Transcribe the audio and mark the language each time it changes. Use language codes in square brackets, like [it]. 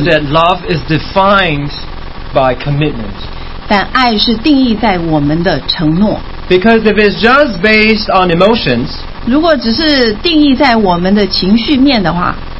[en] But that love is defined by commitment. [zh] 但爱是定义在我们的承诺。 [en] Because if it's just based on emotions, [zh] 如果只是定义在我们的情绪面的话,